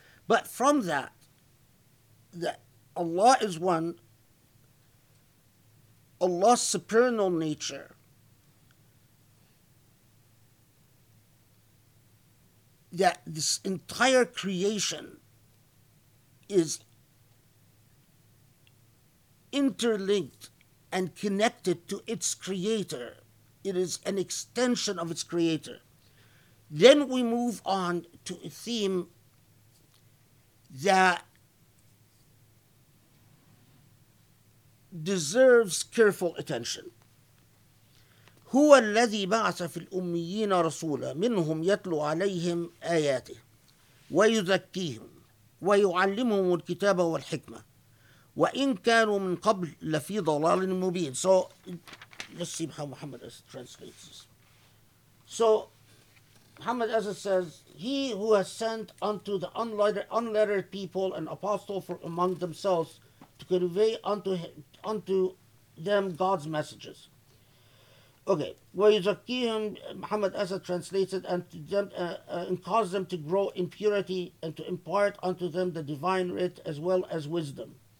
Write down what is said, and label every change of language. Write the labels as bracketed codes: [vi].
[en] But from that Allah is one, Allah's supernal nature, that this entire creation is interlinked and connected to its Creator. It is an extension of its Creator. Then we move on to a theme that deserves careful attention. [ar] هو الذي بعث في الأميين رسولا منهم يتلو عليهم آياته ويزكيهم ويعلمهم الكتاب والحكمة وإن كانوا من قبل لفي ضلال مبين. [en] So let's see how Muhammad Azza translates this. So Muhammad Azza says, he who has sent unto the unlettered people an apostle for among themselves to convey unto them God's messages. Okay, وَيُزَكِّيهِمْ, Muhammad Azza translated, and to them, and cause them to grow in purity and to impart unto them the divine writ as well as wisdom.